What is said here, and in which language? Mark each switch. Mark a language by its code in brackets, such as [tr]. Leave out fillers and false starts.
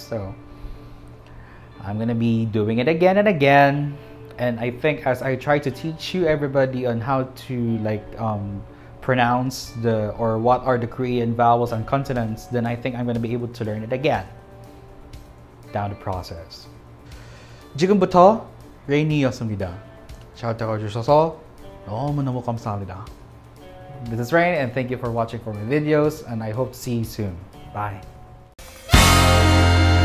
[en] So I'm gonna be doing it again and again. And I think as I try to teach you everybody on how to like pronounce the, or what are the Korean vowels and consonants, then I think I'm gonna be able to learn it again down the process. [ko] 지금부터 레이니였습니다. 잘 들어주셔서 너무너무 감사합니다. [en] This is Rein, and thank you for watching for my videos, and I hope to see you soon. Bye.